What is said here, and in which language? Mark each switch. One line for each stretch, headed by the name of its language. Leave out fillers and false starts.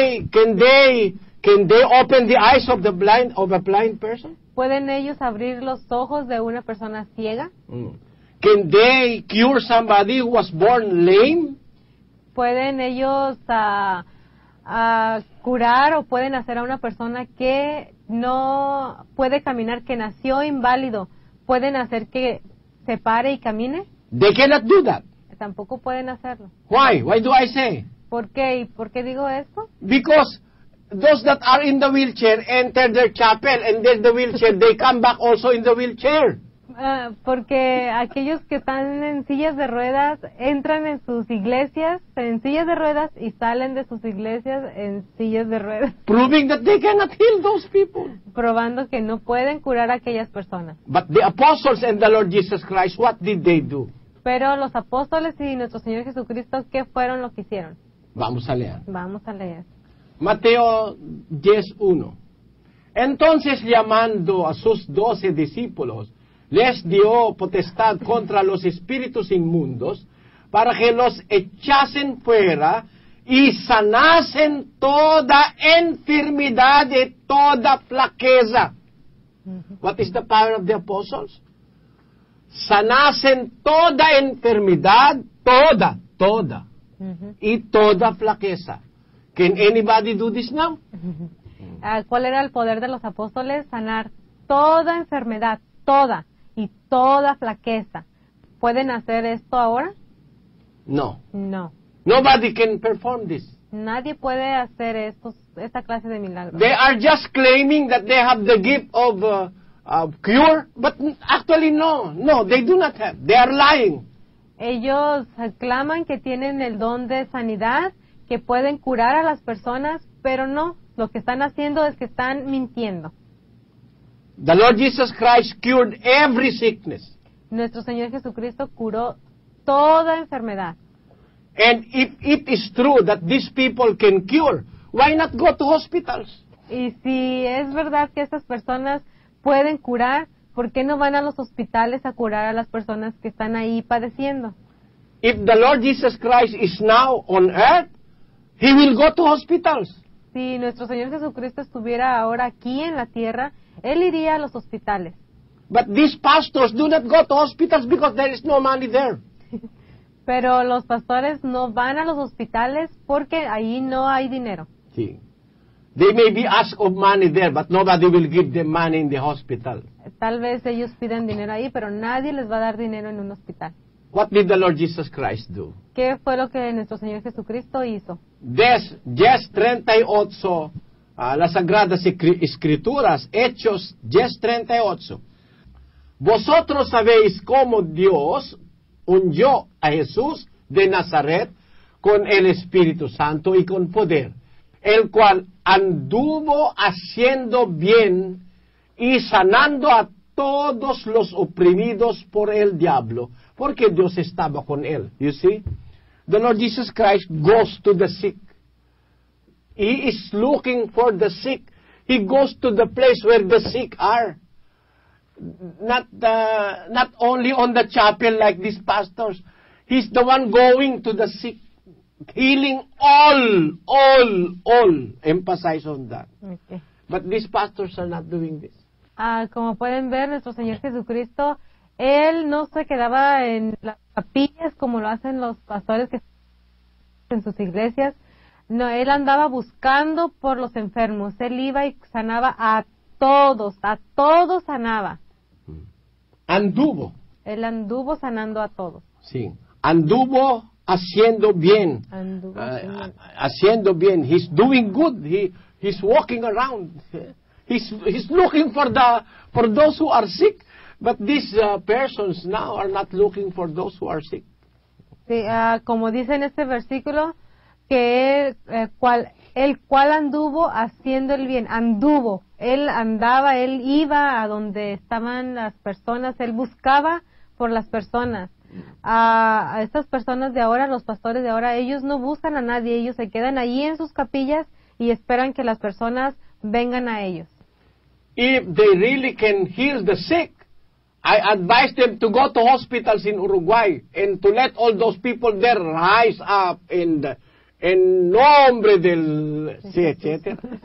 English: Can they open the eyes of the blind of a blind person?
Spanish: ¿Pueden ellos abrir los ojos de una persona ciega?
English: Can they cure somebody who was born lame?
Spanish: ¿Pueden ellos curar o pueden hacer a una persona que no puede caminar, que nació inválido? ¿Pueden hacer que se pare y camine?
English: They cannot do that.
Spanish: Tampoco pueden hacerlo.
English: Why? Why do I say?
Spanish: ¿Por qué? ¿Y por qué digo esto?
English: Because those that are in the wheelchair enter their chapel and then the wheelchair, they come back also in the wheelchair.
Spanish: Porque aquellos que están en sillas de ruedas entran en sus iglesias en sillas de ruedas y salen de sus iglesias en sillas de ruedas.
English: Proving that they cannot heal those people.
Spanish: Probando que no pueden curar a aquellas personas.
English: But the apostles and the Lord Jesus Christ, what did they do?
Spanish: Pero los apóstoles y nuestro Señor Jesucristo, ¿qué fueron lo que hicieron? Vamos a leer. Vamos a leer. Mateo 10:1. Entonces, llamando a sus 12 discípulos, les dio potestad contra los espíritus inmundos para que los echasen fuera y sanasen toda enfermedad y toda flaqueza.
English: What is the power of the apostles?
Spanish: Sanasen toda enfermedad, toda, y toda flaqueza.
English: Can anybody do this now?
Spanish: ¿Cuál era el poder de los apóstoles? Sanar toda enfermedad, toda, y toda flaqueza. ¿Pueden hacer esto ahora? No. No.
English: Nobody can perform this.
Spanish: Nadie puede hacer esto, esta clase de milagros.
English: They are just claiming that they have the gift of cure, but actually no, they do not have. They are lying.
Spanish: Ellos claman que tienen el don de sanidad, que pueden curar a las personas, pero no. Lo que están haciendo es que están mintiendo.
English: The Lord Jesus Christ cured every sickness.
Spanish: Nuestro Señor Jesucristo curó toda enfermedad.
English: And if it is true that these people can cure, why not go to hospitals?
Spanish: Y si es verdad que estas personas pueden curar, ¿por qué no van a los hospitales a curar a las personas que están ahí padeciendo?
English: If the Lord Jesus Christ is now on earth, he will go to hospitals.
Spanish: Si nuestro Señor Jesucristo estuviera ahora aquí en la tierra, él iría a los hospitales.
English: But these pastors do not go to hospitals because there is no money there.
Spanish: Pero los pastores no van a los hospitales porque ahí no hay dinero. Sí.
English: They may be asked of money there, but nobody will give them money in the hospital.
Spanish: Tal vez ellos piden dinero ahí, pero nadie les va a dar dinero en un hospital.
English: What did the Lord Jesus Christ do?
Spanish: ¿Qué fue lo que nuestro Señor Jesucristo hizo?
English: Yes,
Spanish: 38, las Sagradas Escrituras, Hechos 10:38. Vosotros sabéis cómo Dios unió a Jesús de Nazaret con el Espíritu Santo y con poder, el cual anduvo haciendo bien y sanando a todos los oprimidos por el diablo, porque Dios estaba con él.
English: You see? The Lord Jesus Christ goes to the sick. He is looking for the sick. He goes to the place where the sick are. Not only on the chapel like these pastors. He's the one going to the sick. Healing all. Emphasize on that. Okay. But these pastors are not doing this.
Spanish: Como pueden ver, nuestro Señor Jesucristo, él no se quedaba en las capillas como lo hacen los pastores que están en sus iglesias. No, él andaba buscando por los enfermos. Él iba y sanaba a todos sanaba. Anduvo. Él anduvo sanando a todos. Sí, anduvo haciendo bien. Haciendo bien.
English: He's doing good. He's walking around. He's looking for those who are sick. But these persons now are not looking for those who are sick.
Spanish: Sí, como dice en este versículo, que el cual anduvo haciendo el bien, anduvo. Él andaba, él iba a donde estaban las personas, él buscaba por las personas. A estas personas de ahora, los pastores de ahora, ellos no buscan a nadie, ellos se quedan ahí en sus capillas y esperan que las personas vengan a ellos.
English: If they really can heal the sick, I advise them to go to hospitals in Uruguay and to let all those people there rise up in the in
Spanish: nombre del sí,
English: etc.